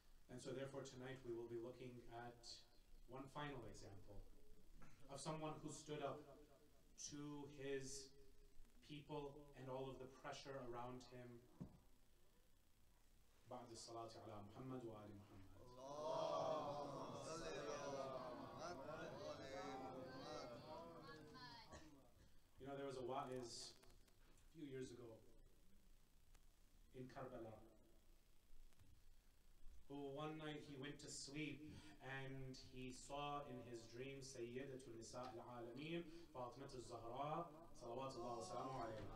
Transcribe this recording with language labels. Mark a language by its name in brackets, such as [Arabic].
[English] And so therefore tonight we will be looking at one final example of someone who stood up to his people and all of the pressure around him. [Arabic] بعد الصلاة على محمد وآل محمد. اللهم صل على محمد وآل محمد. [English] You know, there was a wa'iz a few years ago in Karbala who one night he went to sleep and he saw in his dream Sayyidatu Nisa al-Alameen Fatimah al-Zahra salawatullahi wa salamu alayhi.